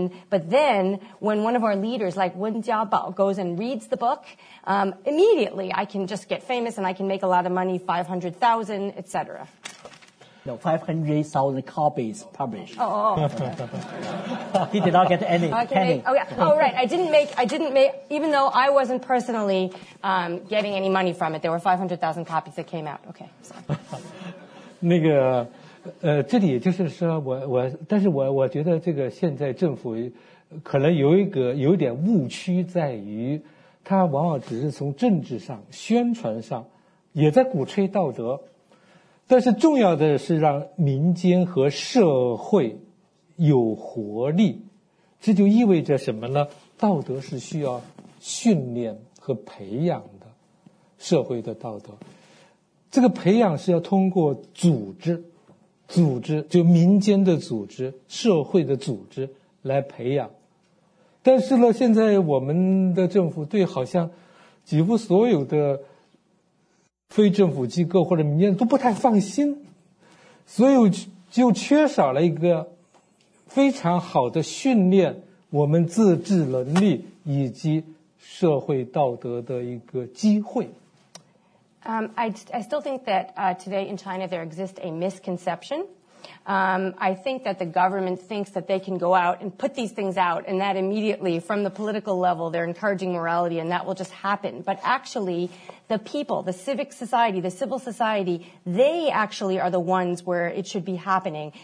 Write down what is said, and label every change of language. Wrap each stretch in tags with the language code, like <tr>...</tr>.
<en>But then when one of our leaders, like Wen Jiabao, goes and reads the book, immediately I can just get famous and I can make a lot of money, 500,000, et cetera. No, 500,000 copies published. Oh. He did not get any. I didn't make, even though I wasn't personally getting any money from it, there were 500,000 copies that came out. Okay. So.</en> <zh>这里就是说我觉得这个现在政府可能有一点误区在于他往往只是从政治上、宣传上也在鼓吹道德，但是重要的是让民间和社会有活力。这就意味着什么呢？道德是需要训练和培养的，社会的道德，这个培养是要通过组织，就民间的组织、社会的组织来培养。但是呢，现在我们的政府对好像几乎所有的非政府机构或者民间都不太放心，所以就缺少了一个非常好的训练我们自治能力以及社会道德的一个机会。</zh> <en>I still think that today in China there exists a misconception. I think that the government thinks that they can go out and put these things out and that immediately from the political level they're encouraging morality and that will just happen. But actually, the people, the civic society, the civil society, they actually are the ones where it should be happening.</en>